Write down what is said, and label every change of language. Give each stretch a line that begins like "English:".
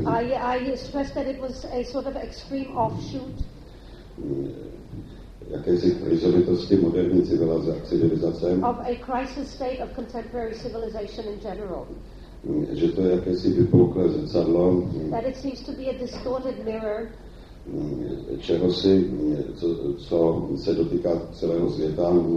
English: I stressed that it was a sort of extreme offshoot.
Czech: Jakési krizovitosti moderní civilizace.
English: Of a crisis state of contemporary civilization in general.
Czech: Že to je jakési vypouklé zrcadlo.
English: That it seems to be a distorted mirror.
Czech: Čehosi, co se dotýká celého světa.